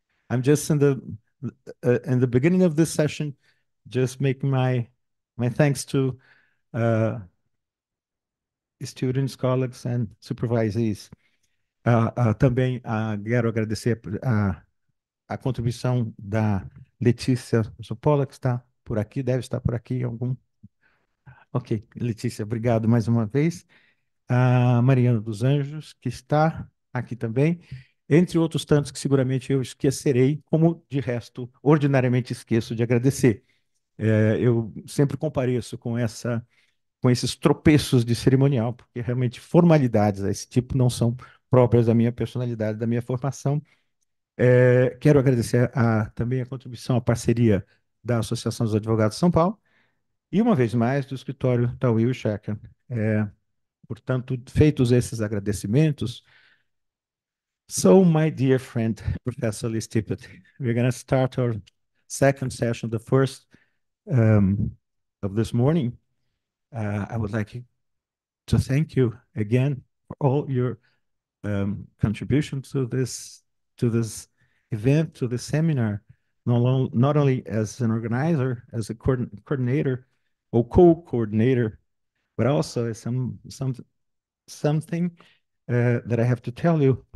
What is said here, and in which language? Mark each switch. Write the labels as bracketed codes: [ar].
[en] I'm just in the beginning of this session, just making my thanks to students, colleagues, and supervisees. [pt] Também quero agradecer a contribuição da Letícia Zopola, que está por aqui, deve estar por aqui em algum. Ok, Letícia, obrigado mais uma vez. A Mariana dos Anjos, que está aqui também, entre outros tantos que seguramente eu esquecerei, como de resto ordinariamente esqueço de agradecer. Eu sempre compareço com esses tropeços de cerimonial, porque realmente formalidades a esse tipo não são próprias da minha personalidade, da minha formação. Quero agradecer também a contribuição, a parceria da Associação dos Advogados de São Paulo e, uma vez mais, do escritório da Wilshacker. Portanto, feitos esses agradecimentos, [en] so, my dear friend, Professor Lee Tippett, we're going to start our second session, the first of this morning. I would like to thank you again for all your contribution to this event, to the seminar, not only as an organizer, as a coordinator or co-coordinator, but also as something that I have to tell you.